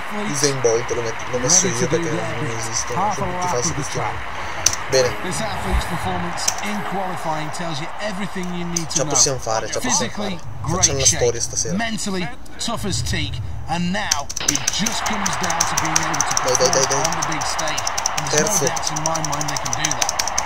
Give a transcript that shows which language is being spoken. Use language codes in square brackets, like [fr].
[it] Usain Bolt l'ho messo io perché non esiste, non so tutti i falsi. Bene. [en] This athlete's performance in qualifying tells you everything you need to know. [it] Ce la possiamo fare. Facciamo la storia stasera. [en] Mentally, tough as teak, and now it just comes down to being able to play on the big stage. And there's no doubt in my mind they can do that.